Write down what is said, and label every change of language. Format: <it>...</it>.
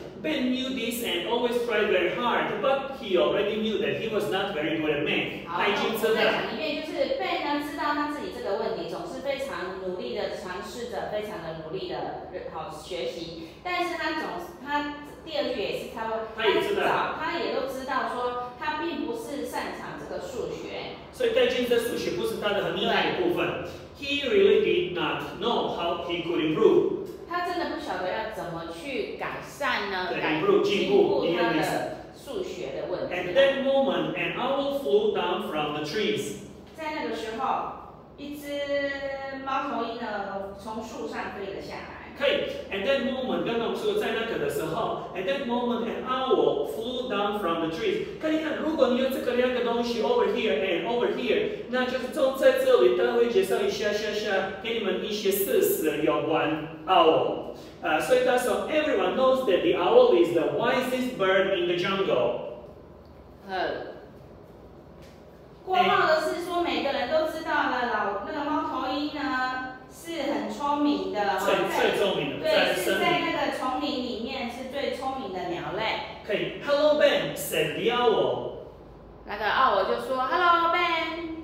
<en>Ben knew this and always tried very hard, but he already knew that he was not very good at math.</en> <zh>好，再讲一遍，就是 Ben 呢知道他自己这个问题，总是非常努力的尝试着，非常的努力的好学习，但是他总他第二句也是他他也知道，他也都知道说他并不是擅长这个数学，所以戴金这数学不是他的很厉害的部分。</zh> <en>He really did not know how he could improve.</en> <zh>他真的不晓得要怎么去改善呢？对，改进进步他的数学的问题。</zh> <en>At that moment, an owl flew down from the trees.</en> <zh>在那个时候，一只猫头鹰呢从树上飞了下来。可以。</zh> <en>At that moment,</en> <zh>刚刚我们说在那个的时候</zh> <en>，At that moment, an owl flew down from the trees.</en> <zh>可以看，如果你有这个两个东西</zh> <en>over here and over here，</en> <zh>那就是从在这里，待会介绍一下下下，给你们一些事实有关。Owl.</zh> <en>So it does so everyone knows that the owl is the wisest bird in the jungle.</en> <zh>过后的是说每个人都知道了老那个猫头鹰呢是很聪明的。最聪明的。对，是在那个丛林里面是最聪明的鸟类。可以。</zh> <en>Hello, Ben, said the owl.</en> <zh>那个owl就说</zh> <en>Hello, Ben.</en>